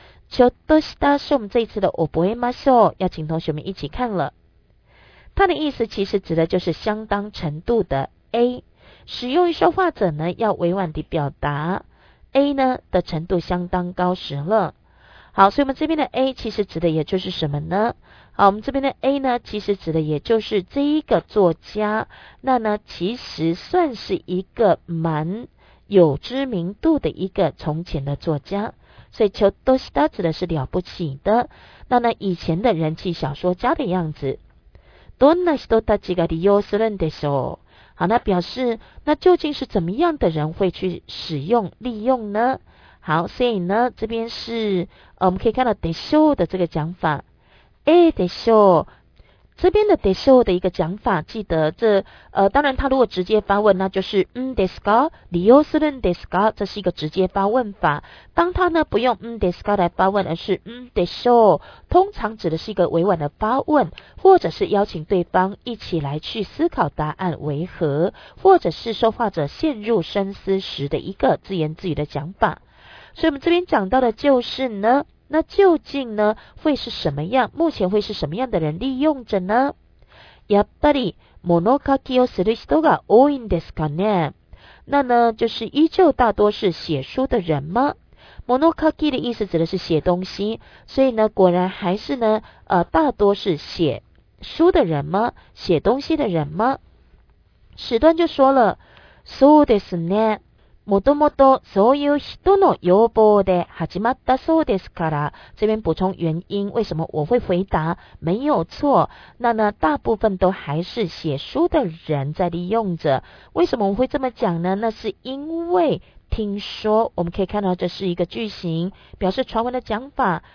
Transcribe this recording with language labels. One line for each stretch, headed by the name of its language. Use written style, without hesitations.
Japanese: ちょっとした
Chinese: 是我们这一次的
Japanese: 覚えましょう，
Chinese: 要请同学们一起看了。它的意思其实指的就是相当程度的 A， 使用于说话者呢要委婉地表达 A 呢的程度相当高时了。好，所以我们这边的 A 其实指的也就是什么呢？好，我们这边的 A 呢其实指的也就是这一个作家，那呢其实算是一个蛮有知名度的一个从前的作家。所以
Japanese: ちょっとした
Chinese: 指的是了不起的，那呢以前的人气小说家的样子。
Japanese: どんな人たちが利用するんでしょう？
Chinese: 好，那表示那究竟是怎么样的人会去使用利用呢？好，所以呢这边是我们可以看到でしょう的这个讲法。えでしょう，这边的でしょう的一个讲法，记得这当然他如果直接发问，那就是
Japanese: んですか？利用するんですか？
Chinese: 这是一个直接发问法。当他呢不用んですか来发问，而是
Japanese: んでしょう，
Chinese: 通常指的是一个委婉的发问，或者是邀请对方一起来去思考答案为何，或者是说话者陷入深思时的一个自言自语的讲法。所以我们这边讲到的就是呢，那究竟呢会是什么样，目前会是什么样的人利用着呢？
Japanese: やっぱり物書きをする人が多いんですかね？
Chinese: 那呢就是依旧大多是写书的人吗？モノ書き的意思指的是写东西，所以呢，果然还是呢，大多是写书的人吗？写东西的人吗？史端就说了，
Japanese: そうですね。もともとそういう人の要望で始まったそうですから。
Chinese: 这边补充原因，为什么我会回答没有错？那呢，大部分都还是写书的人在利用着。为什么我会这么讲呢？那是因为听说，我们可以看到这是一个句型，表示传闻的讲法。